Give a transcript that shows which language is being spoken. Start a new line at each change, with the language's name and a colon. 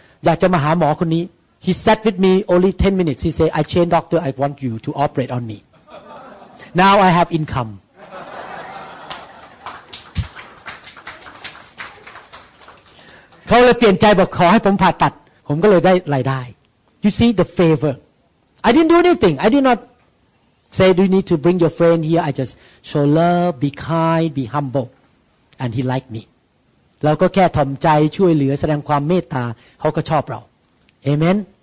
Thai: อยากจะมาหาหมอคนนี้
English: He sat with me only 10 minutes. He say, I change doctor. I want you to operate on me. Now I have income.
Thai: เขาเลยเปลี่ยนใจบอกขอให้ผมผ่าตัดผมก็เลยได้รายได้
English: You see the favor. I didn't do anything. I did not say, do you need to bring your friend here? I just show love, be kind, be humble. And he liked me.
Thai: เราก็แค่ถ่อมใจช่วยเหลือแสดงความเมตตาเขาก็ชอบเรา Amen?